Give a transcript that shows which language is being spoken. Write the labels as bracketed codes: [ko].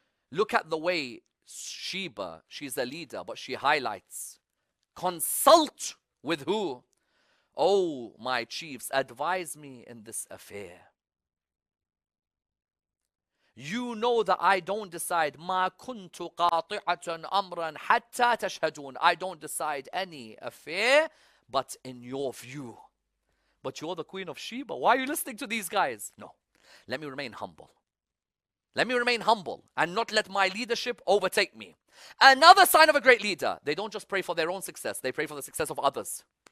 [en] Look at the way Sheba, she's a leader, but she highlights, consult with who? Oh, my chiefs, advise me in this affair. You know that I don't decide. [ar] ما كنت قاطعة أمرا حتى تشهدون. [en] I don't decide any affair but in your view. But you're the Queen of Sheba. Why are you listening to these guys? No. Let me remain humble. Let me remain humble and not let my leadership overtake me. Another sign of a great leader. They don't just pray for their own success. They pray for the success of others.